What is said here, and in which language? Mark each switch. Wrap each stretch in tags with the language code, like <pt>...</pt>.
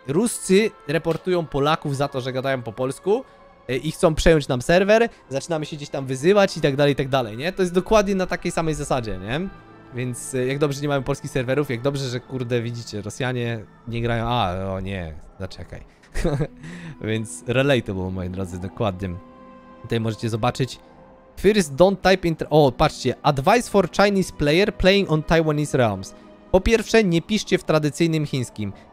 <pl>Ruscy reportują Polaków za to, że gadają po polsku i chcą przejąć nam serwer, zaczynamy się gdzieś tam wyzywać i tak dalej, nie? To jest dokładnie na takiej samej zasadzie, nie? Więc jak dobrze, że nie mamy polskich serwerów, jak dobrze, że kurde, widzicie, Rosjanie nie grają, zaczekaj. Więc relatable, moi drodzy, dokładnie. Tutaj możecie zobaczyć.</pl> <en>First, don't type inter...</en> <pl>O, patrzcie.</pl> <en>Advice for Chinese player playing on Taiwanese realms.</en> <pl>Po pierwsze, nie piszcie w tradycyjnym chińskim.</pl>